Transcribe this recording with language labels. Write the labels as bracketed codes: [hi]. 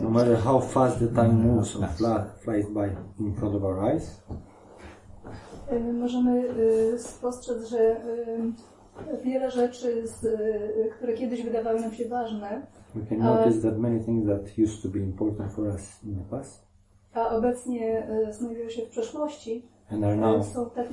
[en] No matter how fast the time moves or flies by in front of our eyes. [pl] Możemy spostrzec, że wiele rzeczy, które kiedyś wydawały nam się ważne. [en] We can notice that many things that used to be important for us in the past. [pl] A obecnie znajdują się w przeszłości, są tak